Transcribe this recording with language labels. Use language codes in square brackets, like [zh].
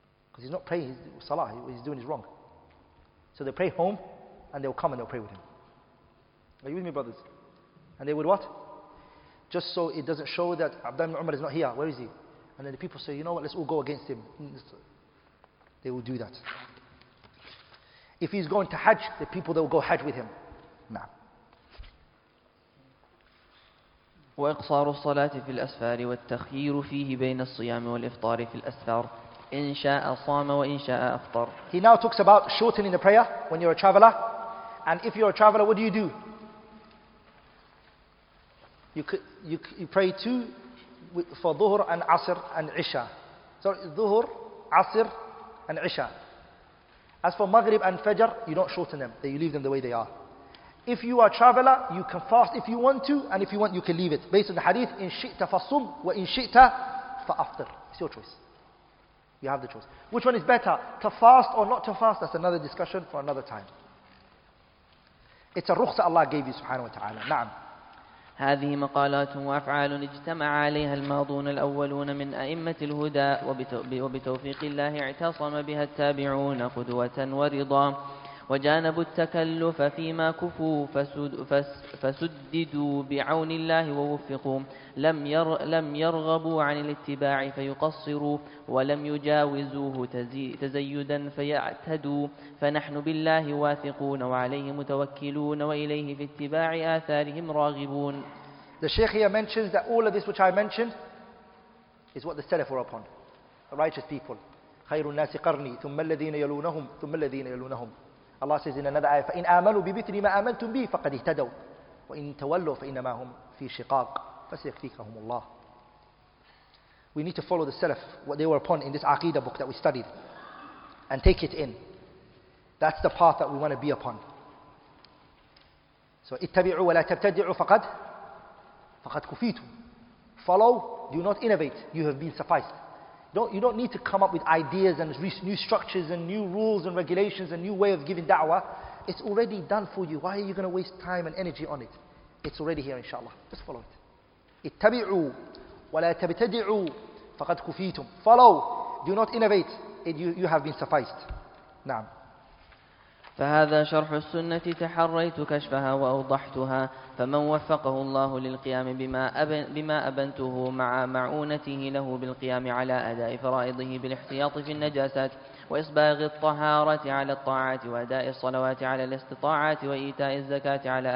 [en] Because he's not praying his salah, what he's doing is wrong. So they pray home and they'll come and they'll pray with him. Are you with me, brothers? And they would what? Just so it doesn't show that Abdullah ibn Umar is not here. Where is he? And then the people say, you know what, let's all go against him. They will do that. If he's going to Hajj, the people, they will go Hajj with him. Nah. [ar] وإقصار الصلاة في الأسفار والتخيير فيه بين الصيام والإفطار في الأسفار إن شاء صام وإن شاء أفطر. [en] He now talks about shortening the prayer when you're a traveler. And if you're a traveler, what do? You pray two for Dhuhr and Asr and Isha. Sorry, Dhuhr, Asr and Isha. As for Maghrib and Fajr, you don't shorten them. You leave them the way they are. If you are a traveler, you can fast if you want to, and if you want, you can leave it. Based on the hadith, [ar] in shi'ta fasum, wa in shi'ta fa'aftir. [en] It's your choice. You have the choice. Which one is better, to fast or not to fast? That's another discussion for another time. It's a rukhsa Allah gave you, subhanahu wa ta'ala. [ar] Na'am. هذه مقالات وأفعال اجتمع عليها الماضون الأولون من أئمة الهدى وبتوفيق الله اعتصم بها التابعون قدوة ورضا وجانبوا التكلف فيما كفوا فسددوا بعون الله ووفقوا لم يرغبوا عن الاتباع فيقصروا ولم يجاوزوه تزيدا فيعتدوا فنحن بالله واثقون وعليه متوكلون وإليه في اتباع آثارهم راغبون. [en] The Sheikh here mentions that all of this which I mentioned is what the Salaf were upon. The righteous people. [ar] خير الناس قرني ثم الذين يلونهم ثم الذين يلونهم. [en] Allah says in another ayah, [ar] فَإِنْ آمَنُوا بِبِثْلِ مَا آمَنْتُمْ بِهِ فَقَدْ اِهْتَدَوْا وَإِنْ تَوَلُّوا فَإِنَّمَا هُمْ فِي شِقَاقٍ فَسَيَكْفِيكَهُمُ اللَّهِ. [en] We need to follow the Salaf, what they were upon in this Aqidah book that we studied, and take it in. That's the path that we want to be upon. [ar] So اتبعوا ولا تبتدعوا فقد كفيتم. [en] Follow, do not innovate, you have been sufficed. You don't need to come up with ideas and new structures and new rules and regulations and new way of giving da'wah. It's already done for you. Why are you going to waste time and energy on it? It's already here, inshallah. Just follow it. [ar] اتبعوا ولا تبتدعوا فقد كفيتم. [en] Follow. Do not innovate. You have been sufficed. نعم. [ar] فهذا شرح السنة تحريت كشفها وأوضحتها فمن وفقه الله للقيام بما أبنته مع معونته له بالقيام على أداء فرائضه بالاحتياط في النجاسات وإصباغ الطهارة على الطاعات وأداء الصلوات على الاستطاعات وإيتاء الزكاة